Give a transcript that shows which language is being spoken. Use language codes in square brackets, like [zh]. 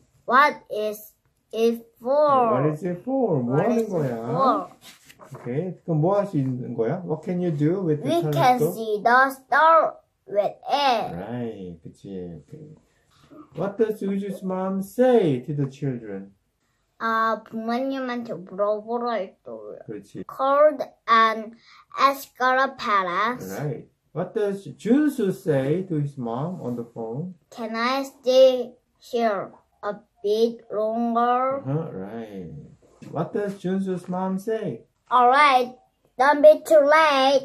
[en] What is it for? What is it for? What is it for? Okay, [ko] 그럼 뭐 할 수 있는 거야? [en] What can you do with the telescope? We can see the star with it. Right, [ko] 그치. [en] Okay. What does Uju's mom say to the children? [ko] 부모님한테 물어보러 했어요. 그렇지. [en] Called and asked her parents. Right. What does Junsu say to his mom on the phone? Can I stay here a bit longer? Uh-huh, right. What does Junsu's mom say? All right. Don't be too late.